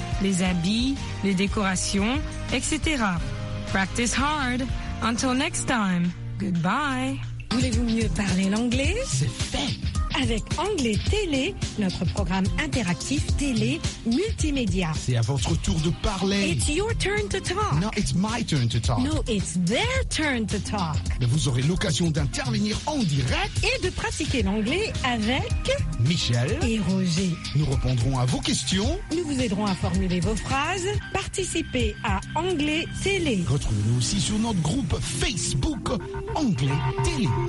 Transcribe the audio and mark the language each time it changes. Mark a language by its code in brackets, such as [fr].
[fr] Les habits, les décorations, etc. [en] Practice hard. Until next time. Goodbye. [fr] Voulez-vous mieux parler l'anglais? C'est fait! Avec Anglais Télé, notre programme interactif télé multimédia. C'est à votre tour de parler. [en] It's your turn to talk. No, it's my turn to talk. No, it's their turn to talk. [fr] Mais vous aurez l'occasion d'intervenir en direct et de pratiquer l'anglais avec Michel et Roger. Nous répondrons à vos questions. Nous vous aiderons à formuler vos phrases. Participez à Anglais Télé. Retrouvez-nous aussi sur notre groupe Facebook Anglais Télé.